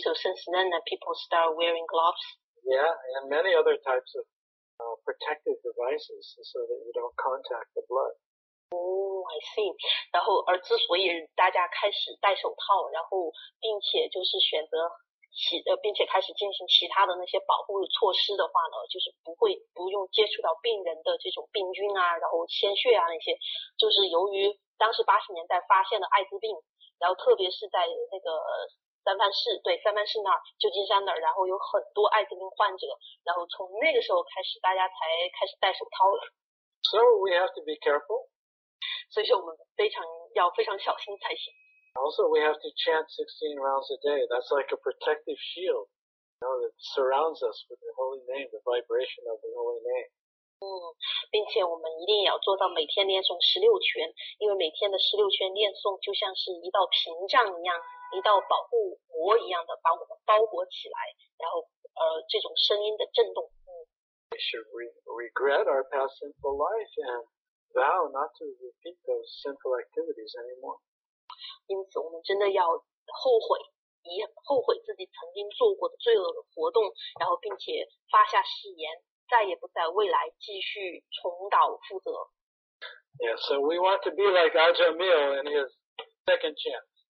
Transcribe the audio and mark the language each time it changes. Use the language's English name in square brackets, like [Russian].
[English] So since then, that people start wearing gloves. Yeah, and many other types of protective devices so that you don't contact the blood. I see. [Chinese] 然后而之所以大家开始戴手套，然后并且就是选择并且开始进行其他的那些保护措施的话呢，就是不用接触到病人的这种病菌啊，然后鲜血啊那些，就是由于当时80年代发现了艾滋病，然后特别是在那个三藩市那儿，旧金山那儿，然后有很多艾滋病患者，然后从那个时候开始大家才开始戴手套了。 [English] So we have to be careful. [Chinese] 所以说我们非常小心才行。 [English] Also, we have to chant 16 rounds a day. That's like a protective shield, you know, that surrounds us with the holy name, the vibration of the holy name. [Chinese] 并且我们一定要做到每天念诵16圈，因为每天的16圈念诵就像是一道屏障一样，一道保护膜一样的把我们包裹起来，然后这种声音的震动。 [English] We should regret our past sinful life and vow not to repeat those sinful activities anymore. [Chinese] 因此我们真的要后悔自己曾经做过的罪恶的活动，然后并且发下誓言，再也不在未来继续重蹈覆辙。 [English] Yeah, so we want to be like Ajahn Mill in his second chance.